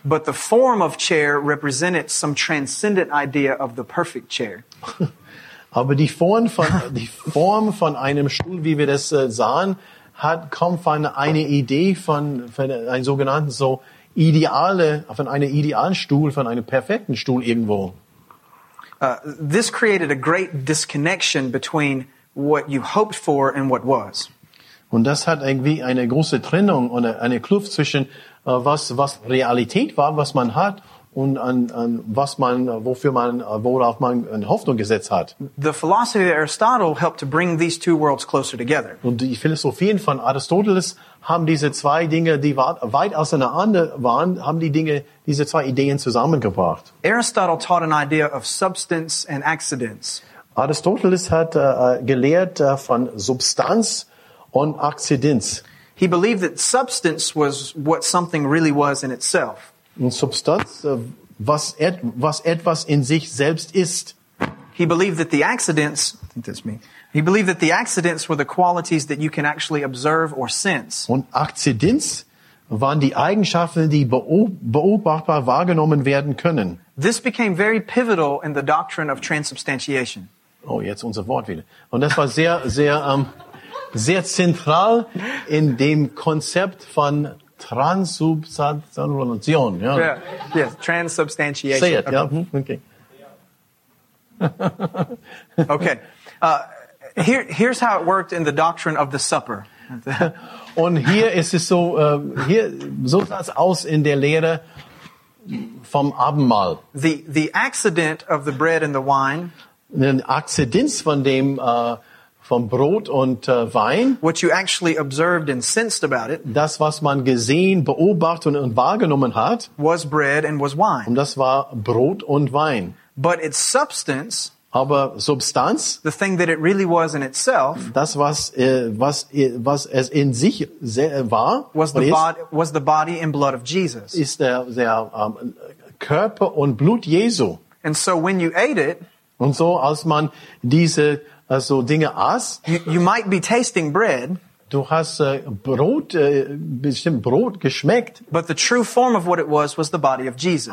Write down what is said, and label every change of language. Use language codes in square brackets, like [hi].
[en] But the form of chair represented some transcendent idea of the perfect chair. [de] Aber die Form von einem Stuhl, wie wir das sahen, kommt von einer Idee von einem sogenannten so ideale von einem idealen Stuhl von einem perfekten Stuhl irgendwo. [en] This created a great disconnection between what you hoped for and what was. [de] Und das hat irgendwie eine große Trennung und eine Kluft zwischen was Realität war, was man hat und an was man wofür man worauf man eine Hoffnung gesetzt hat. [en] The philosophy of Aristotle helped to bring these two worlds closer together. [de] Und die Philosophien von Aristoteles haben diese zwei Dinge, die weit auseinander waren, haben die Dinge diese zwei Ideen zusammengebracht. [en] Aristotle taught an idea of substance and accidents. [de] Aristoteles hat gelehrt von Substanz und Akzidenz. [en] He believed that substance was what something really was in itself. [de] Eine Substanz, was etwas in sich selbst ist. [en] He believed that the accidents, I think that's me. He believed that the accidents were the qualities that you can actually observe or sense. [de] Und Akzidenz waren die Eigenschaften, die beobachtbar wahrgenommen werden können. [en] This became very pivotal in the doctrine of transubstantiation. [de] Oh, jetzt unser Wort wieder. Und das war sehr, sehr, sehr zentral in dem Konzept von Transubstantiation. Ja. [en] Yeah. Yes, transubstantiation. Say it. Okay. Yeah. Okay. Okay. Here's how it worked in the doctrine of the supper. [de] Und hier ist es so, hier so sah es aus in der Lehre vom Abendmahl. [en] The accident of the bread and the wine. [de] Den Akzidenz von dem von Brot und Wein. [en] What you actually observed and sensed about it. [de] Das, was man gesehen, beobachtet und wahrgenommen hat. [en] Was bread and was wine. [de] Und das war Brot und Wein. [en] But its substance. [de] Aber Substanz. [en] The thing that it really was in itself. [de] Das, was was es in sich war. [en] Was the body and blood of Jesus. [de] Ist der Körper und Blut Jesu. [en] And so when you ate it. [de] Und so als man diese also Dinge aß. [en] You might be tasting bread. [de] Du hast Brot, bestimmt Brot geschmeckt. [en] But the true form of what it was the body of Jesus.